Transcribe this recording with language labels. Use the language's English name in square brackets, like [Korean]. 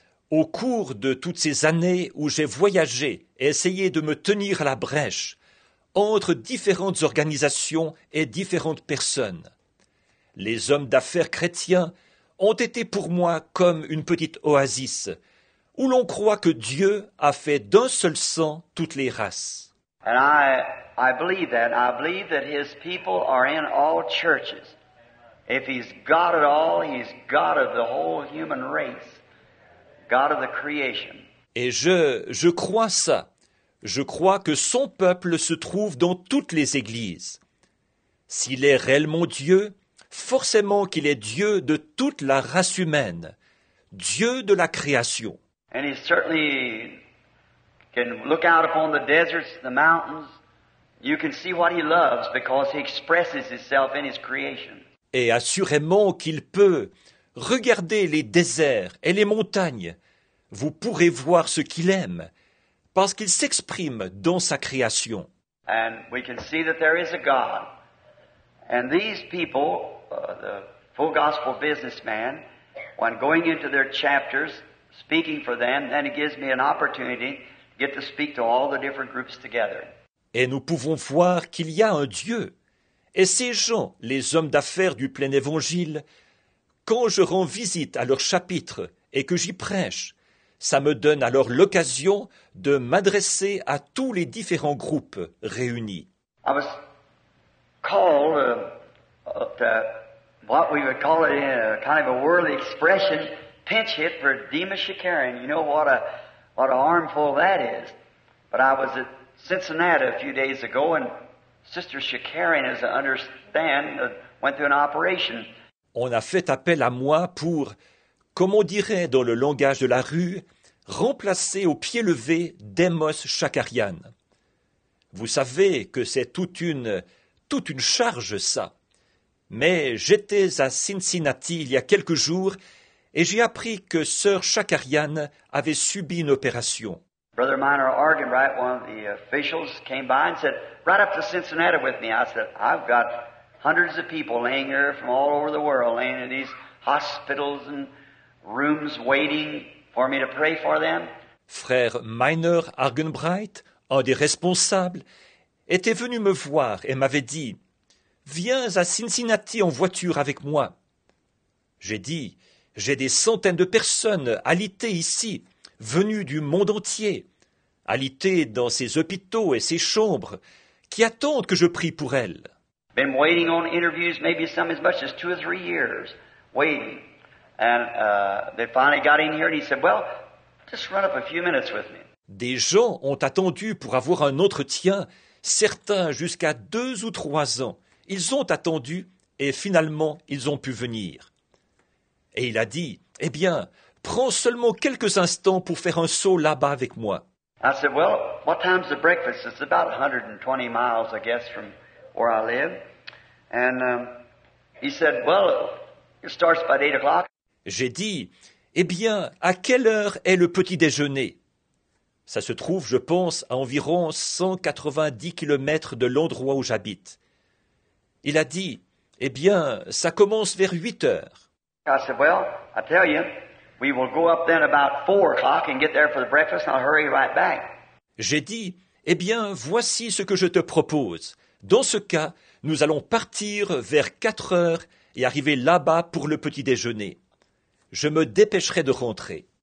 [French] Au cours de toutes ces années où j'ai voyagé et essayé de me tenir à la brèche entre différentes organisations et différentes personnes, les hommes d'affaires chrétiens ont été pour moi comme une petite oasis où l'on croit que Dieu a fait d'un seul sang toutes les races. [English] And I believe that. I believe that his people are in all churches. If he's God at all, he's God of the whole human race. God of the creation. [French] Et je crois ça. Je crois que son peuple se trouve dans toutes les églises. S'il est réellement Dieu, forcément qu'il est Dieu de toute la race humaine, Dieu de la création. [English] And he certainly can look out upon the deserts, the mountains. You can see what he loves because he expresses himself in his creation. [French] Et assurément qu'il peut regarder les déserts et les montagnes. Vous pourrez voir ce qu'il aime, parce qu'il s'exprime dans sa création. [English] And we can see that there is a God. And these people, the full gospel businessman, when going into their chapters, speaking for them, then it gives me an opportunity to get to speak to all the different groups together. [French] Et nous pouvons voir qu'il y a un Dieu. Et ces gens, les hommes d'affaires du plein évangile, quand je rends visite à leur chapitre et que j'y prêche, ça me donne alors l'occasion de m'adresser à tous les différents groupes réunis. [English] I was called to what we would call it in a kind of a worldly expression, pinch hit for Dima Shikarian. You know what a armful that is. But I was at Cincinnati a few days ago, and Sister Shikarian, as I understand, went through an operation. [French] On a fait appel à moi pour, comme on dirait dans le langage de la rue, remplacer au pied levé Demos Shakarian. Vous savez que c'est toute une charge, ça. Mais j'étais à Cincinnati il y a quelques jours et j'ai appris que Sœur Shakarian avait subi une opération. [English] Brother Minor Argan, right, one of the officials came by and said, right up to Cincinnati with me. I said, I've got hundreds of people laying here from all over the world, laying in these hospitals and rooms waiting for me to pray for them. [French] Frère Minor Argenbright, un des responsables, était venu me voir et m'avait dit, « Viens à Cincinnati en voiture avec moi. » J'ai dit, « J'ai des centaines de personnes alitées ici, venues du monde entier, alitées dans ces hôpitaux et ces chambres, qui attendent que je prie pour elles. » [English] Been waiting on interviews, maybe some as much as 2 or 3 years, waiting. And they finally got in here and he said, well, just run up a few minutes with me. [French] Des gens ont attendu pour avoir un entretien, certains jusqu'à 2 ou 3 ans. Ils ont attendu et finalement ils ont pu venir. Et il a dit, eh bien, prends seulement quelques instants pour faire un saut là-bas avec moi. [English] I said, well, what time's the breakfast? It's about 120 miles, I guess, from where I live. And he said, well, it starts about 8 o'clock. [French] J'ai dit, eh bien, à quelle heure est le petit déjeuner? Ça se trouve, je pense, à environ 190 kilomètres de l'endroit où j'habite. Il a dit, eh bien, ça commence vers 8 heures. [English] I said, well, I tell you, we will go up then about 4 o'clock and get there for the breakfast and I'll hurry right back. [French] J'ai dit, eh bien, voici ce que je te propose. Dans ce cas, nous allons partir vers 4 heures et arriver là-bas pour le petit déjeuner. Je me dépêcherai de rentrer.